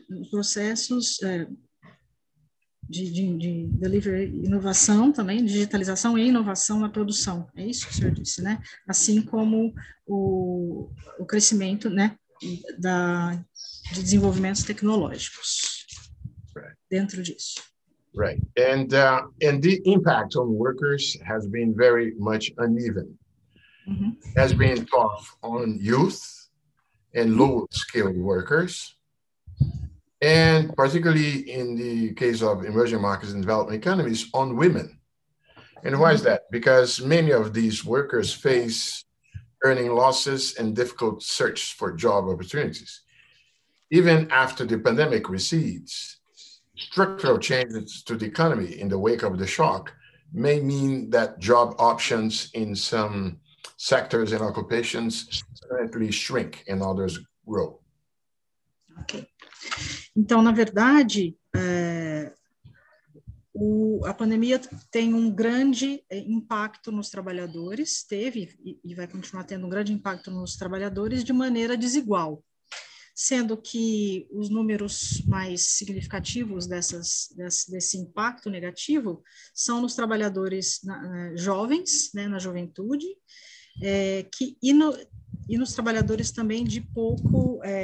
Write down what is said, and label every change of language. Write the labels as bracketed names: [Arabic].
[Portuguese] Processos de delivery, inovação também, digitalização e inovação na produção. É isso que o senhor disse, né? Assim como o crescimento, né, de desenvolvimentos tecnológicos dentro disso. [English] Right, and the impact on workers has been very much uneven. Has been tough on youth and low-skilled workers, and particularly in the case of emerging markets and developing economies, on women. And why is that? Because many of these workers face earning losses and difficult search for job opportunities. Even after the pandemic recedes, structural changes to the economy in the wake of the shock may mean that job options in some sectors and occupations currently shrink and others grow. Ok. [Portuguese] Então, na verdade, a pandemia tem um grande impacto nos trabalhadores, teve e vai continuar tendo um grande impacto nos trabalhadores de maneira desigual, sendo que os números mais significativos desse impacto negativo são nos trabalhadores jovens, né, na juventude, e nos trabalhadores também de pouco.